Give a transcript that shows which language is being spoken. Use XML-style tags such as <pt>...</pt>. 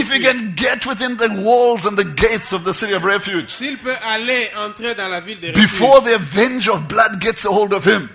<en>If he can get within the walls and the gates of the city of refuge.</en> <fr>S'il peut aller entrer dans la ville de refuge.</fr> <en>Before the avenger of blood gets a hold of him.</en>